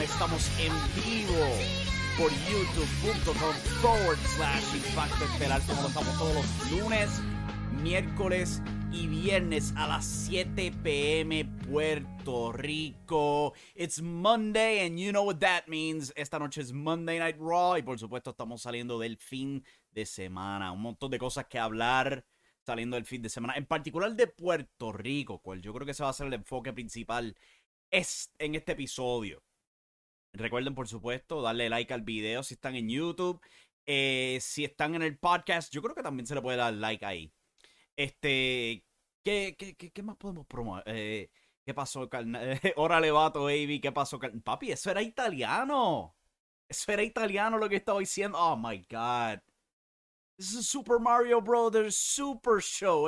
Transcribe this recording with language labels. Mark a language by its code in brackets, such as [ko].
[es] Estamos en vivo por YouTube.com/ImpactoEstelar, como lo estamos todos los lunes, miércoles y viernes a las 7 p.m. Puerto Rico. [en] It's Monday and you know what that means. [es] Esta noche es Monday Night Raw y por supuesto estamos saliendo del fin de semana. Un montón de cosas que hablar. Saliendo del fin de semana, en particular de Puerto Rico, cual yo creo que ese va a ser el enfoque principal en este episodio. Recuerden, por supuesto, darle like al video si están en YouTube. Si están en el podcast, yo creo que también se le puede dar like ahí. ¿Qué más podemos promover? ¿Qué pasó, carnal? Órale, vato, baby. ¿Qué pasó, carnal? Papi, eso era italiano. Eso era italiano lo que estaba diciendo. [en] Oh, my God. This is Super Mario Brothers Super Show.